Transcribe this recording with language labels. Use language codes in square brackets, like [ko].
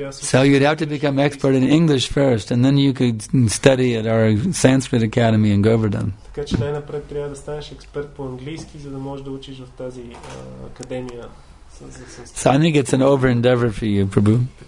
[en] So you'd have to become expert in English first, and then you could study at our Sanskrit Academy in Govardhan. [bg] Така че най-напред трябва да станеш експерт по английски, за да можеш да учиш в тази академия. [en] So I think it's an over-endeavor for you, Prabhu.